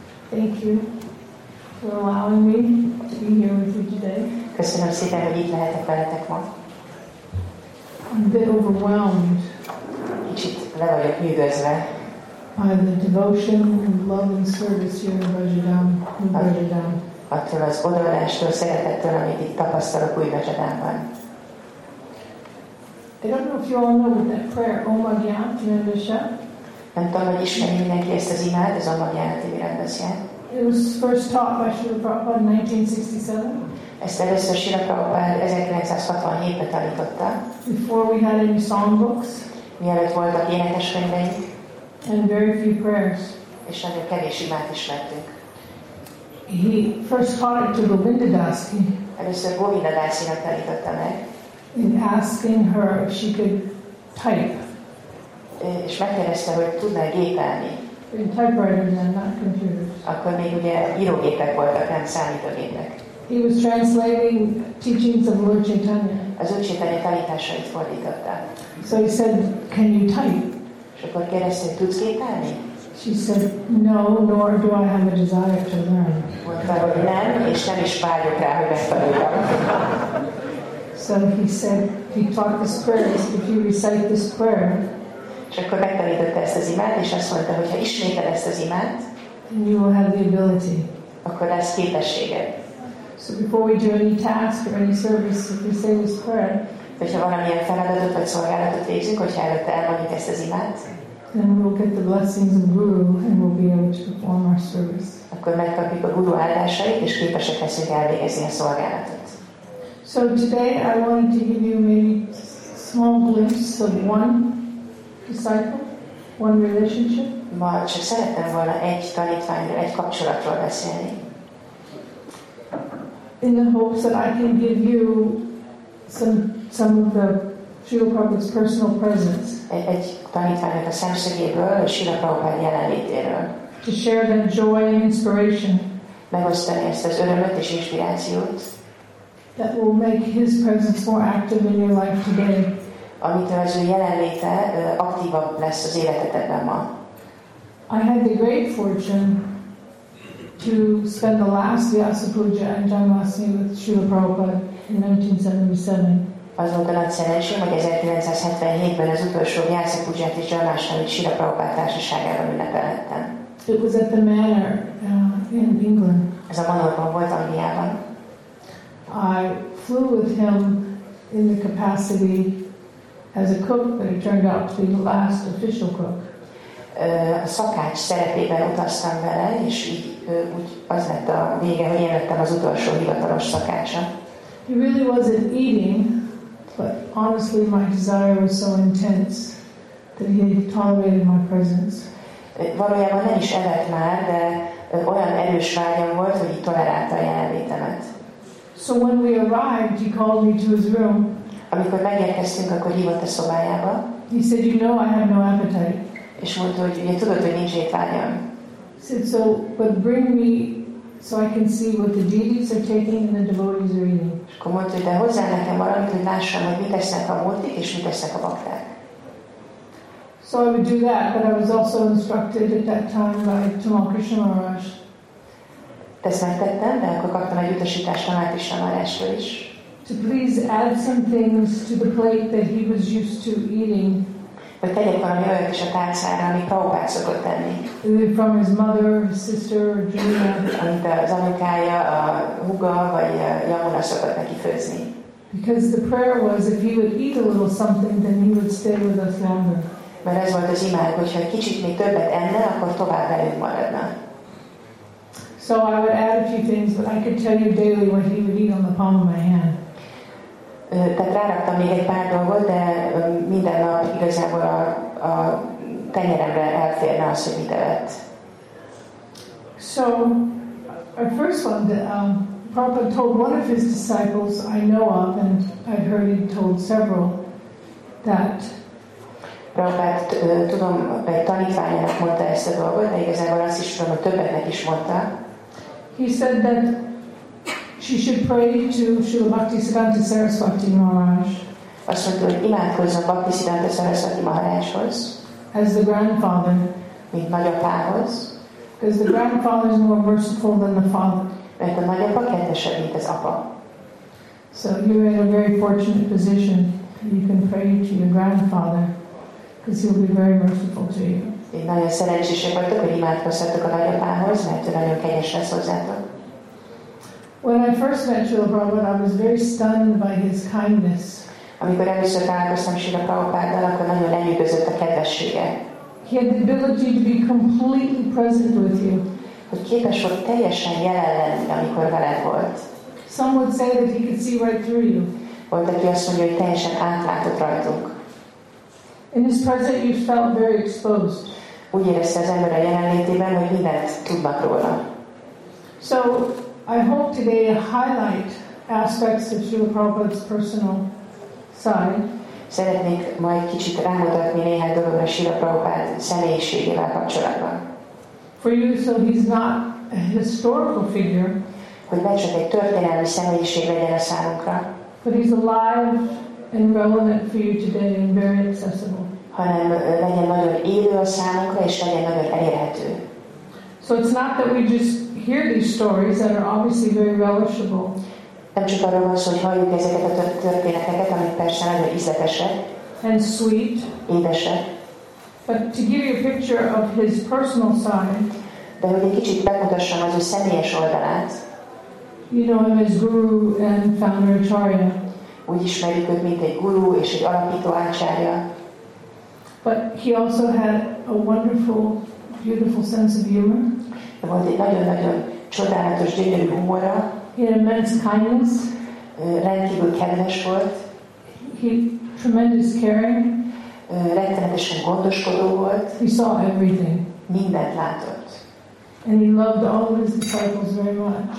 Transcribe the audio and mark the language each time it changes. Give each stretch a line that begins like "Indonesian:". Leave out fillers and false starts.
English: Thank you for allowing me to be here with you today.
Hungarian: Köszönöm szépen, hogy itt lehetek veletek ma.
English: I'm a bit overwhelmed.
Hungarian: Kicsit le vagyok nyűgözve.
English: By the devotion and love and service here in Bajadam.
Hungarian: Attól az odaadástól, szeretettől, amit itt tapasztalok új Bajadamban.
English: I don't know if you all know that prayer, Om Agyati Rendesha.
Hungarian: Nem tudom, hogy ismer mindenki ezt az imád, az Om Agyati Rendesha.
English: It was first taught by Srila Prabhupada in 1967.
Hungarian: Ezt először Srila Prabhupada 1967-ben tanította.
English: Before we had any song books.
Hungarian: Mielőtt voltak énekes könyveink.
English: And very few prayers.
Hungarian: És nagyon kevés imát is vettük.
English: He first taught it to Govinda Dasi.
Hungarian: Először Govinda Dasinak tanította meg.
English: In asking her if she could type.
Hungarian: És megkérdezte, hogy tudná gépelni.
English: In typewriters and not computers.
Hungarian: Akkor még ugye írógépek voltak, nem számítógépek.
English: He was translating teachings of Lord Chaitanya.
Hungarian: Az Úr Chaitanya tanításait fordította.
English: So he said, can you type?
Hungarian: És akkor kérdezte, hogy tudsz gépelni?
English: She said, no, nor do I have a desire to learn.
Hungarian: Mondta, hogy nem, és nem is vágyok rá, hogy megtanuljam.
English: So he said, he taught this prayer, if you recite this prayer,
Hungarian: és akkor megtanította ezt az imát, és azt mondta, hogyha ismétel ezt az imát,
English: then you will have the ability.
Hungarian: Akkor lesz képességed.
English: So before we do any task or any service, if we say this prayer,
Hungarian: hogyha valamilyen feladatot vagy szolgálatot végzünk, hogyha előtte elmondjuk ezt az imát,
English: then we will get the blessings of Guru and we'll be able to perform our service.
Hungarian: Akkor megkapjuk a Guru áldásait, és képesek leszünk elvégezni a szolgálatot.
English: So today I wanted to give you maybe small glimpse of one disciple, one relationship.
Hungarian: Ma csak szerettem volna egy tanítványról, egy kapcsolatról beszélni.
English: In the hopes that I can give you some of the Srila Prabhupada's personal presence.
Hungarian: Egy tanítványról, a szemszögéből, a Srila Prabhupada jelenlétéről.
English: To share that joy and inspiration.
Hungarian: Megosztani ezt az örömet és inspirációt.
English: That will make his presence more active in your life today.
Hungarian: Amitől az ő jelenléte aktívabb lesz az életedben ma.
English: I had the great fortune to spend the last Vyasa Puja and Janmasthami with Srila Prabhupada in 1977.
Hungarian: Az volt a nagy szerencsém, hogy 1977-ben az utolsó Vyasa Pujját és Janmasthamit Srila Prabhupada társaságában ünnepelhettem.
English: It was at the manor in England.
Hungarian: Ez a manorban volt, Angliában.
English: I flew with him in the capacity as a cook, but he turned out to be the last official cook.
Hungarian: A szakács szerepében utaztam vele, és így úgy az lett a vége, hogy én lettem az utolsó hivatalos szakácsa.
English: He really wasn't eating, but honestly my desire was so intense that he tolerated my presence.
Hungarian: Valójában nem is evett már, de olyan erős vágyam volt, hogy tolerálta a jelenlétemet.
English: So when we arrived, he called me to his room.
Hungarian: Amikor megérkeztünk, akkor hívott a szobájába.
English: He said, you know, I have no appetite.
Hungarian: És mondta, hogy ugye tudod, hogy nincs étvágyam.
English: He said, so, but bring me so I can see what the deities are taking and the devotees are eating.
Hungarian: És akkor mondta, hogy de hozzá nekem valamit, hogy lássam, hogy mit esznek a múltik, és mit esznek a bakták.
English: So I would do that, but I was also instructed at that time by Tamal Krishna Maharaj.
Hungarian: Ezt megtettem, de akkor kaptam egy utasítást Tamal Krishna Maharajtól is.
English: To please add some things to the plate that he was used to eating.
Hungarian: Hogy tegyek valami olyat is a tálcára, amit Prabhupád szokott tenni.
English: From his mother, his sister, or Jamuna.
Hungarian: Amit az anyukája, a húga, vagy a Jamuna szokott neki főzni.
English: Because the prayer was, if he would eat a little something, then he would stay with us longer.
Hungarian: Mert ez volt az imád, hogyha kicsit még többet enne, akkor tovább velünk maradna.
English: So I would add a few things, but I could tell you daily what he would eat on the palm of my hand.
Hungarian: Tehát ráraktam még egy pár dolgot, de minden nap igazából a tenyeremre elférne az, hogy mit evett.
English: So, our first one, that Prabhupada told one of his disciples I know of, and I've heard he told several, that
Hungarian: Prabhupád tudom, egy tanítványának mondta ezt a dolgot, de igazából azt is tudom, hogy többeknek is mondta.
English: He said that she should pray to Srila Bhaktisiddhanta Sarasvati Maharaj.
Hungarian: Azt mondta, hogy imádkozzon Bhaktisiddhanta Sarasvati Maharajhoz.
English: As the grandfather.
Hungarian: Mint nagyapához.
English: Because the grandfather is more merciful than the father.
Hungarian: Mert a nagyapa kedvesebb, mint az apa.
English: So you're in a very fortunate position. You can pray to your grandfather because he'll be very merciful to you.
Hungarian: Én nagyon szerencsések vagytok, hogy imádkozhatok a nagyapához, mert ő nagyon kegyes lesz hozzátok.
English: When I first met Srila Prabhupada, I was very stunned by his kindness.
Hungarian: Amikor először találkoztam Srila Prabhupáddal, akkor nagyon lenyűgözött a kedvessége.
English: He had the ability to be completely present with you.
Hungarian: Hogy képes volt teljesen jelen lenni, amikor veled volt.
English: Some would say that he could see right through you.
Hungarian: Volt, aki azt mondja, hogy teljesen átlátott rajtunk.
English: In his presence you felt very exposed.
Hungarian: Úgy érezte az ember a jelenlétében, hogy mindent tudnak róla.
English: So, I hope today highlight aspects of Srila Prabhupada's personal side.
Hungarian: Szeretnék ma egy kicsit rámutatni néhány dologra Srila Prabhupád személyiségével kapcsolatban.
English: For you, so he's not a historical figure.
Hungarian: Hogy ne csak egy történelmi személyiség legyen a számunkra.
English: But he's alive and relevant for you today and very accessible.
Hungarian: Hanem legyen nagyon élő a számunkra, és legyen nagyon elérhető.
English: So it's not that we just hear these stories that are obviously very relishable.
Hungarian: Nem csak arról van szó, hogy halljuk ezeket a történeteket, amik persze nagyon ízletesek.
English: And sweet.
Hungarian: Édesek.
English: But to give you a picture of his personal side.
Hungarian: De hogy egy kicsit bemutassam az ő személyes oldalát.
English: You know him as guru and founder Acharya.
Hungarian: Úgy ismerjük őt, mint egy guru és egy alapító ácsárja.
English: But he also had a wonderful, beautiful sense of humor.
Hungarian: De volt egy nagyon-nagyon csodálatos, gyönyörű humora.
English: He had immense kindness.
Hungarian: Rendkívül kedves volt.
English: He tremendous caring.
Hungarian: Rettenetesen gondoskodó volt.
English: He saw everything.
Hungarian: Mindent látott.
English: And he loved all of his disciples very much.